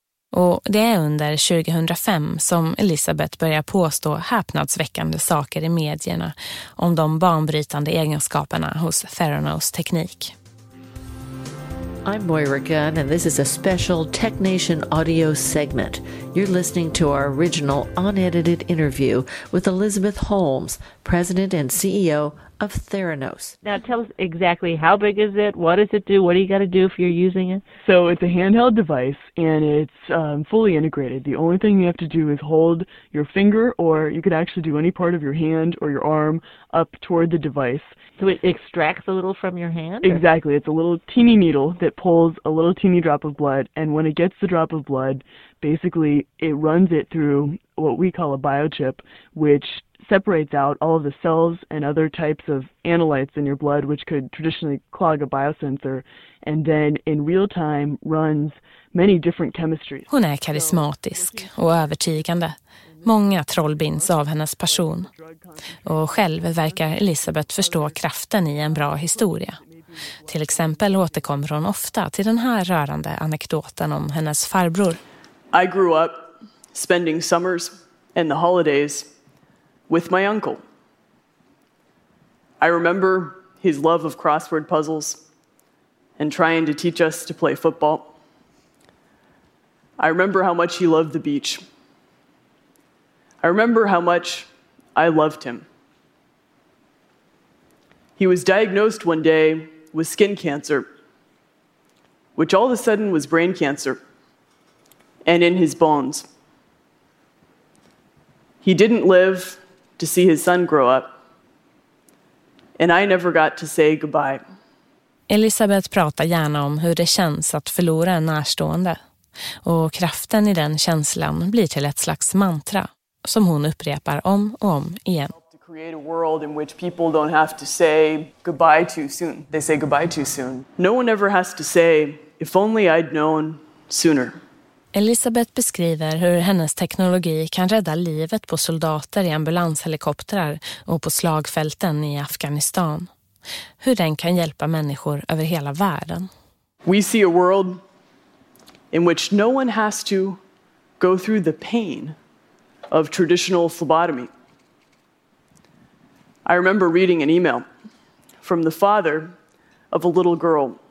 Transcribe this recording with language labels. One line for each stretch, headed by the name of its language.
Swedish: Och det är under 2005 som Elisabeth börjar påstå häpnadsväckande saker i medierna om de banbrytande egenskaperna hos Theranos teknik.
English: I'm Moira Gunn, and this is a special Tech Nation audio segment. You're listening to our original unedited interview with Elisabeth Holmes, president and CEO of Theranos. Now tell us exactly how big is it, what does it do, what do you got to do if you're using it? So it's a handheld device, and it's fully integrated. The only thing you have to do is hold your finger, or you could actually do any part of your hand or your arm up toward the device. So it extracts a little from your hand? Exactly. It's a little teeny needle that pulls a little teeny drop of blood, and when it gets the drop of blood, basically it runs it through what we call a biochip, which separates out all of the cells and other types of analytes in your blood, which could traditionally clog a biosensor, and then in real time runs many different chemistries.
Swedish: Hon är karismatisk och övertygande. Många trollbinds av hennes person. Och själv verkar Elisabeth förstå kraften i en bra historia. Till exempel återkommer hon ofta till den här rörande anekdoten om hennes farbror.
English: I grew up spending summers and the holidays with my uncle. I remember his love of crossword puzzles and trying to teach us to play football. I remember how much he loved the beach. I remember how much I loved him. He was diagnosed one day with skin cancer, which all of a sudden was brain cancer, and in his bones. He didn't live to see his son grow up, and I never got to say goodbye.
Swedish: Elisabeth pratar gärna om hur det känns att förlora en närstående, och kraften i den känslan blir till ett slags mantra som hon upprepar om och om igen.
English: To create a world in which people don't have to say goodbye too soon. They say goodbye too soon. No one ever has to say, if only I'd known sooner.
Swedish: Elisabeth beskriver hur hennes teknologi kan rädda livet på soldater i ambulanshelikoptrar och på slagfälten i Afghanistan. Hur den kan hjälpa människor över hela världen.
English: We see a world in which no one has to go through the pain of traditional phlebotomy. I remember reading an email from the father of a little girl.